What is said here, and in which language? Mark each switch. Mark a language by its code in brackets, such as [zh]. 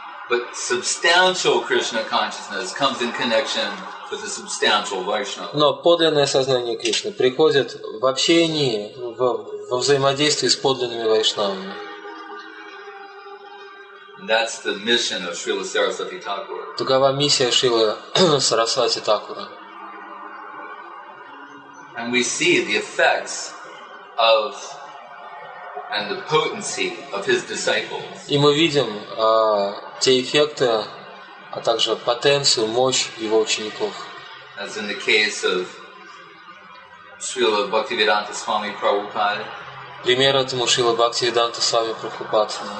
[en] But substantial Krishna consciousness comes in connection with the substantial Vaishnava. [ru] Но подлинное сознание Кришны приходит в общении, во взаимодействии с подлинными вайшнавами. [en] That's the mission of Srila Sarasvati Thakura. [ru] Такова миссия Шрилы Сарасвати Такура. [en] And we see the effects of and the potency of his disciples. [ru] И мы видим те эффекты, а также потенцию, мощь его учеников. [en] As in the case of Srila Bhaktivedanta Swami Prabhupada. [ru] Пример этому Шрила Бхактивиданта Свами Прабхупад.